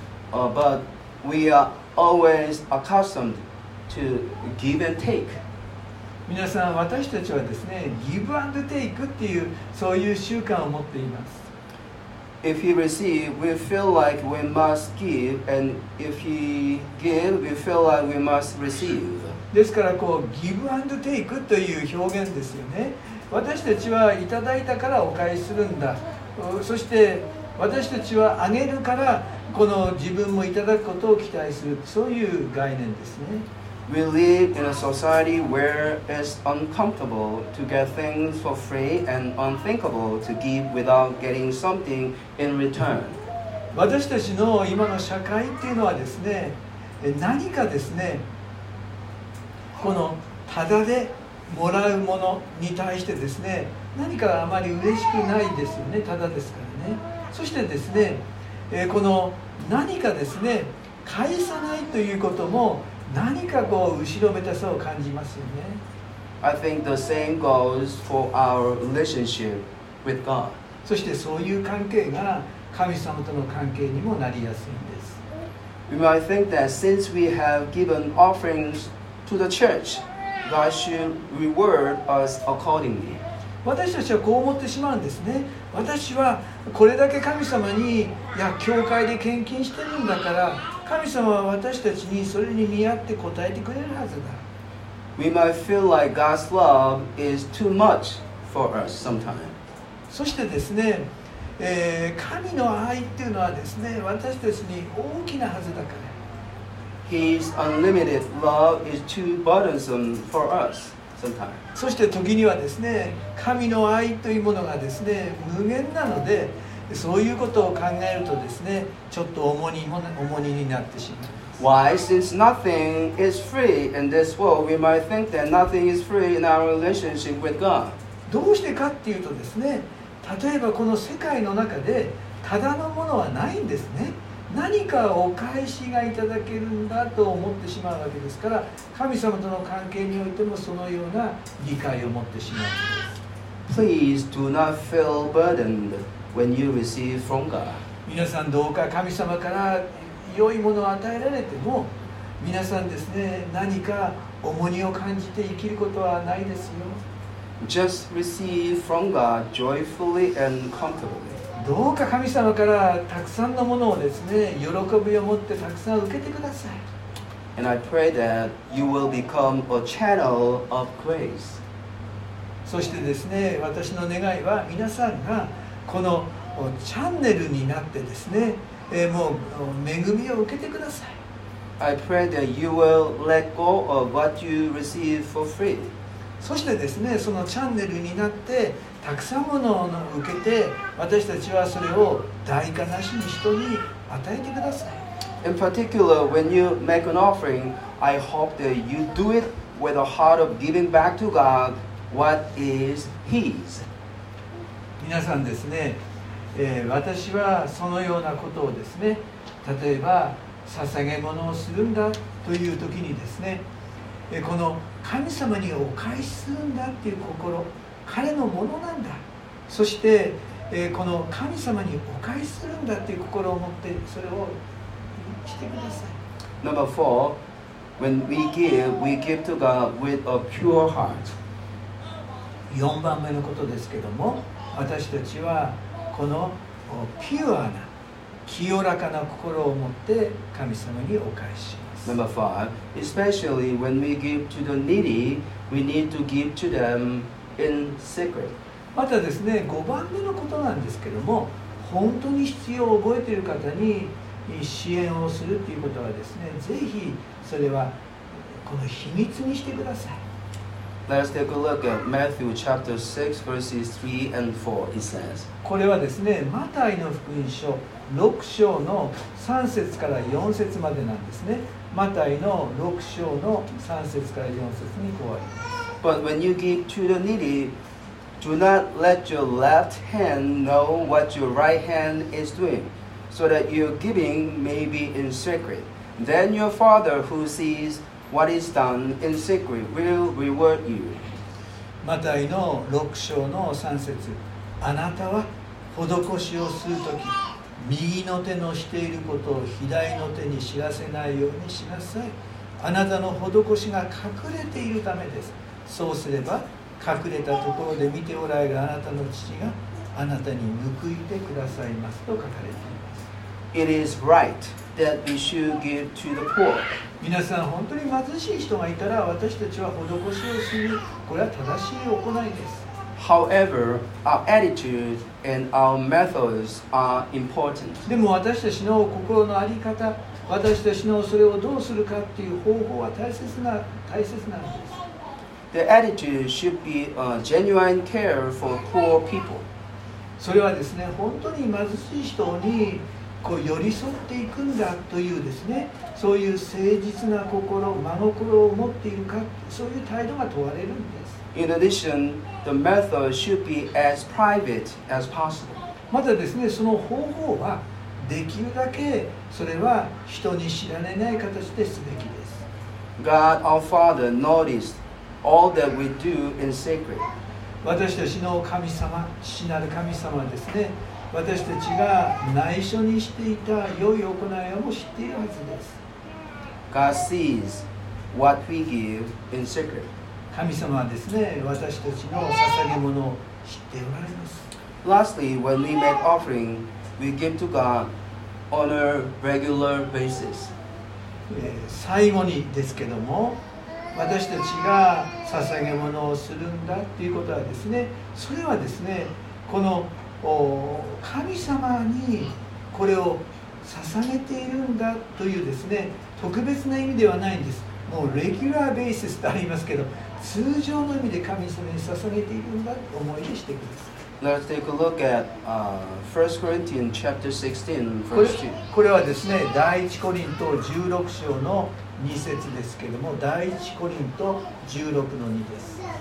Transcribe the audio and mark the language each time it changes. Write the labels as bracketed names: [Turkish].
[English] But we are always accustomed to give and take. [Japanese] 皆さん、私たちはですね、 [English] give and take [Japanese] っていう、そういう習慣を持っています。 [English] If he receive, we feel like we must give, and if he give, we feel like we must receive. [Japanese] ですからこう、 [English] give and take [Japanese] という表現ですよね。私たちはいただいたからお返しするんだ。そして私たちはあげるから、この自分もいただくことを期待する。そういう概念ですね。 [English] We live in a society where it's uncomfortable to get things for free and unthinkable to give without getting something in return. [Japanese] 私たちの今の社会っていうのはですね、何かですね、このただでもらうものに対してですね、何かあまり嬉しくないですよね、ただですからね。そしてですね、この何かですね、返さないということも何かこう後ろめたさを感じますよね。 [English] I think the same goes for our relationship with God. [Japanese] そしてそういう関係が神様との関係にもなりやすいんです。 [English] We might think that since we have given offerings to the church, God should reward us accordingly. [Japanese] 私たちはこう思ってしまうんですね。私はこれだけ神様に、いや、教会で献金してるんだから、神様は私たちにそれに見合って応えてくれるはずだ。 [English] We might feel like God's love is too much for us sometimes. [Japanese] そしてですね、神の愛っていうのはですね、私たちに大きなはずだから。 [English] His unlimited love is too burdensome for us sometimes. [Japanese] そして時にはですね、神の愛というものがですね、無限なので、そういうことを考えるとですね、ちょっと重荷になってしまう。 [English] Why? Since nothing is free in this world, we might think that nothing is free in our relationship with God. [Japanese] どうしてかっていうとですね、例えばこの世界の中でただのものはないんですね。何かお返しがいただけるんだと思ってしまうわけですから、神様との関係においてもそのような理解を持ってしまうんです。 [English] Please do not feel burdened. When you receive from God. [Japanese] 皆さんどうか神様から良いものを与えられても、皆さんですね、何か重荷を感じて生きることはないですよ。 [English] Just receive from God joyfully and comfortably. [Japanese] どうか神様からたくさんのものをですね、喜びを持ってたくさん受けてください。 [English] And I pray that you will become a channel of grace. [Japanese] そしてですね、私の願いは皆さんがこのチャンネルになってですね、もう恵みを受けてください。 [English] I pray that you will let go of what you receive for free. [Japanese] そしてですね、そのチャンネルになってたくさんものを受けて、私たちはそれを代価なしに人に与えてください。 [English] In particular, when you make an offering, I hope that you do it with a heart of giving back to God what is His. [Japanese] 皆さんですね、私はそのようなことをですね、例えば捧げ物をするんだという時にですね、この神様にお返しするんだっていう心、彼のものなんだ、そして、この神様にお返しするんだっていう心を持ってそれをしてください。 [English] Number four, when we give, we give to God with a pure heart. [Japanese] 4番目のことですけども、私たちはこのピュアな清らかな心を持って神様にお返しします。 [English] Number five, especially when we give to the needy, we need to give to them in secret. [Japanese] またですね、5番目のことなんですけども、本当に必要を覚えている方に支援をするということはですね、ぜひそれはこの秘密にしてください。 [English] Let's take a look at Matthew chapter 6, verses 3 and 4. It says, [Japanese] これはですね、マタイの福音書6章の3節から4節までなんですね。マタイの6章の3節から4節にこうあります。 [English] But when you give to the needy, Do not let your left hand know what your right hand is doing, so that your giving may be in secret. Then your Father who sees what is done in secret will reward you. [Japanese] マタイの6章の3節。あなたは施しをするとき、右の手のしていることを左の手に知らせないようにしなさい。あなたの施しが隠れているためです。そうすれば、隠れたところで見ておられるあなたの父があなたに報いてくださいますと書かれています。 [English] It is right that we should give to the poor. [Japanese] 皆さん、本当に貧しい人がいたら私たちは施しをする。これは正しい行いです。 [English] However, our attitude and our methods are important. [Japanese] でも私たちの心の在り方、私たちのそれをどうするかっていう方法は大切なんです。 [English] The attitude should be a genuine care for poor people. [Japanese] それはですね、本当に貧しい人にこう寄り添っていくんだというですね、そういう誠実な心、真心を持っているか、そういう態度が問われるんです。 [English] In addition, the method should be as private as possible. [Japanese] またですね、その方法はできるだけそれは人に知られない形ですべきです。 [English] God our Father noticed. All that we do in secret. [Japanese] 私たちの神様、父なる神様ですね。私たちが内緒にしていた良い行いを知っているはずです。 [English] God sees what we give in secret. [Japanese] 神様はですね、私たちの捧げ物を知っておられます。 [English] Lastly, when we make offering, we give to God on a regular basis. [Japanese] 最後にですけども、私たちが捧げ物をするんだということはですね、それはですね、この神様にこれを捧げているんだというですね、特別な意味ではないんです。もうレギュラーベーシスとありますけど、通常の意味で神様に捧げているんだと思い出してください。 [English] Let's take a look at 1 Corinthians chapter 16, verse 2. [Japanese] これはですね、第1コリント16章の2節ですけれども、第1コリント16の2です。